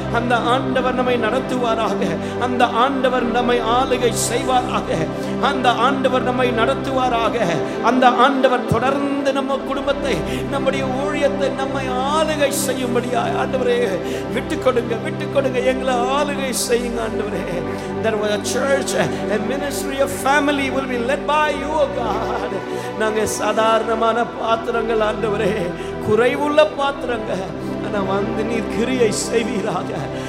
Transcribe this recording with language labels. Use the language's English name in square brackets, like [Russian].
[English] And the [Tamil] ஆண்டவர் நம்மை நடத்துவாராக. அந்த ஆண்டவர் நம்மை ஆளுகை செய்வாராக. அந்த ஆண்டவர் நம்மை நடத்துவாராக. அந்த ஆண்டவர் தொடர்ந்து நம்ம குடும்பத்தை, நம்முடைய ஊழியத்தை நம்மை ஆளுகை செய்யும்படியாக ஆண்டவரே விட்டுக்கொடுங்க. எங்களை ஆளுகை செய்யுங்க ஆண்டவரே. [English] There was a church, a ministry, a family will be led by you, oh God. [Tamil] நாங்க சாதாரணமான பாத்திரங்கள் ஆண்டவரே, குறைவுள்ள பாத்திரங்க. வந்து நீர் கிரியை செய்வீராக.